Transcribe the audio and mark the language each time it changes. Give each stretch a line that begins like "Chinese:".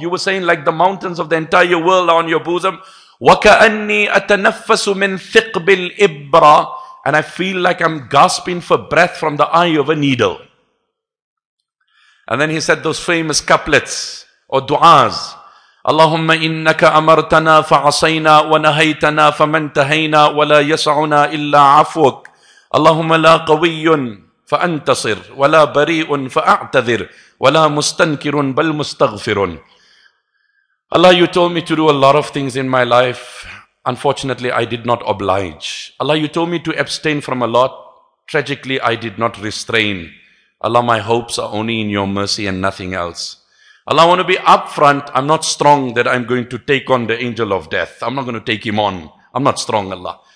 English: You were saying like the mountains of the entire world are on your bosom.
Arabic: وَكَأَنِّي أَتَنَفَّسُ مِنْ ثِقْبِ الْإِبْرَى.
English: And I feel like I'm gasping for breath from the eye of a needle. And then he said those famous couplets or du'as.
Arabic: اللهم إنك أمرتنا فعصينا ونهيتنا فمن تهينا ولا يسعنا إلا عفوك اللهم لا قوي فأنتصر ولا بريء فأعتذر ولا مستنكر بل مستغفر.
English: Allah, you told me to do a lot of things in my life. Unfortunately, I did not oblige. Allah, you told me to abstain from a lot. Tragically, I did not restrain. Allah, my hopes are only in your mercy and nothing else. Allah, I want to be upfront. I'm not strong that I'm going to take on the angel of death. I'm not going to take him on. I'm not strong, Allah.